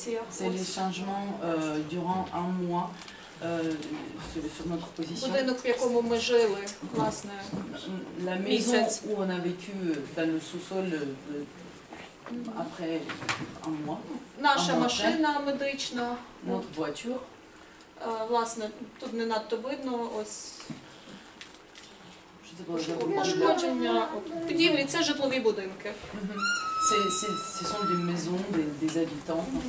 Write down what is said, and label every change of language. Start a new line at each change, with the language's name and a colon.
French: C'est les changements durant un mois. Sur notre position.
Ukrainian: Будинок, в якому ми жили, власне,
French: la maison où on a vécu dans le sous-sol après un mois.
Ukrainian: Наша машина медична.
French: Notre voiture.
Ukrainian: Власне, тут не надто видно, пошкодження. Підівлі, це житлові будинки.
French: Ce sont des maisons des habitants.